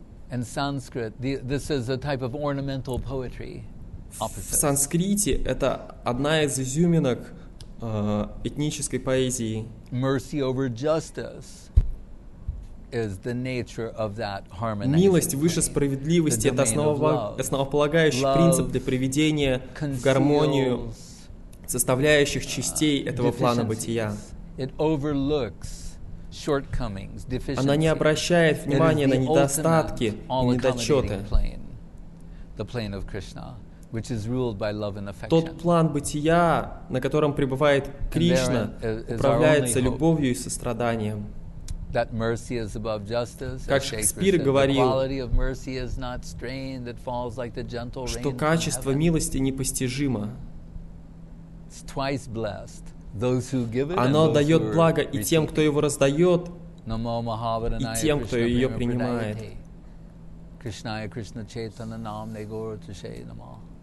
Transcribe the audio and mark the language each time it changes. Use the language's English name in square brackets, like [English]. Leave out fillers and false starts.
[English] In Sanskrit, this is a type of ornamental poetry. [Russian] В санскрите это одна из изюминок этнической поэзии. [English] Mercy over justice. is the nature of that harmonizing. [Russian] Милость выше справедливости — это основополагающий принцип для приведения в гармонию составляющих частей этого плана бытия. [English] It overlooks shortcomings, deficiencies. [Russian] Она не обращает внимания на недостатки, недочеты. [English] The plane of Krishna, which is ruled by love and affection. [Russian] Тот план бытия, на котором пребывает Кришна, управляется любовью и состраданием. [English] That mercy is above justice. [Russian] Как Шекспир говорил, [English] the quality of mercy is not strained, it falls like the gentle rain. [Russian] Что качество милости непостижимо. [English] It's twice blessed. Those who give it. [Russian] Оно дает благо и тем, кто его раздает, и тем, кто ее принимает. [Sanskrit] Krishnaya Krishna Chaitanya Namne Gaura Tushe Namah.